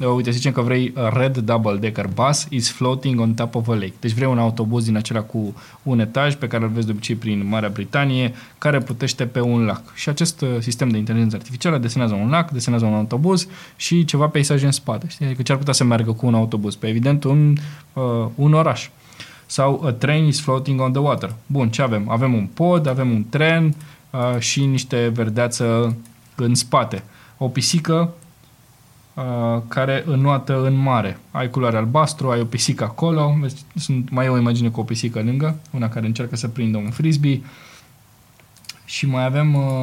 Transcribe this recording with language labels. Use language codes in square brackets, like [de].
[ro] Uite, zicem că vrei [en] a red double-decker bus is floating on top of a lake. [ro] Deci vrei un autobuz din acela cu un etaj pe care îl vezi de obicei prin Marea Britanie, care plutește pe un lac. Și acest sistem de inteligență artificială desenează un lac, desenează un autobuz și ceva peisaje în spate. Știi? Adică ce-ar putea să meargă cu un autobuz? Pe evident, un oraș. Sau [en] a train is floating on the water. [ro] Bun, ce avem? Avem un pod, avem un tren și niște verdeață în spate. O pisică care înoată în mare. Ai culoare albastru, ai o pisică acolo. Vezi, mai e o imagine cu o pisică lângă, una care încearcă să prindă un frisbee. Și mai avem...